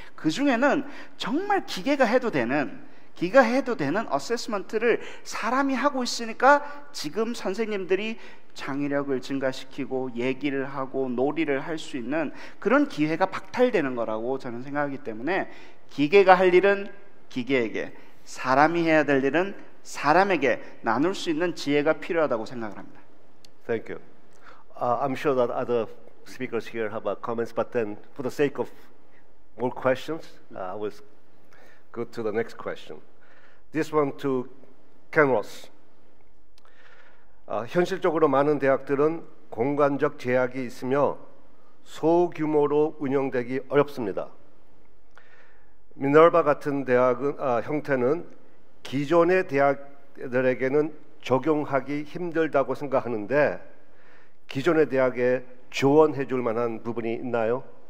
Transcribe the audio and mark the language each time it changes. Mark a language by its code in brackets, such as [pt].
[ko] 그 중에는 정말 기계가 해도 되는 어세스먼트를 사람이 하고 있으니까 지금 선생님들이 창의력을 증가시키고 얘기를 하고 놀이를 할 수 있는 그런 기회가 박탈되는 거라고 저는 생각하기 때문에 기계가 할 일은 기계에게 사람이 해야 될 일은 사람에게 나눌 수 있는 지혜가 필요하다고 생각을 합니다. [en] Thank you. I'm sure that other speakers here have comments, but then for the sake of more questions, I will go to the next question. This one to Ken Ross. [ko] 현실적으로 많은 대학들은 공간적 제약이 있으며 소규모로 운영되기 어렵습니다. 미네르바 같은 대학은 형태는 기존의 대학들에게는 적용하기 힘들다고 생각하는데 기존의 대학에 조언해 줄 만한 부분이 있나요?